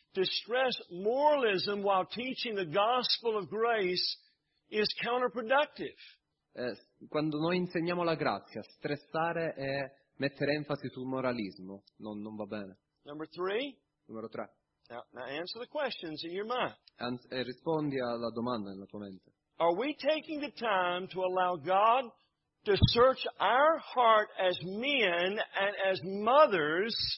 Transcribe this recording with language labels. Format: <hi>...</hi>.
<en>To stress moralism while teaching the gospel of grace is counterproductive.</en> <it>Quando noi insegniamo la grazia, stressare è mettere enfasi sul moralismo non va bene.</it> <en>Number three.</en> <it>Numero tre.</it> <en>Now answer the questions in your mind.</en> <it>E rispondi alla domanda nella tua mente.</it> <en>Are we taking the time to allow God to search our heart as men and as mothers?</en>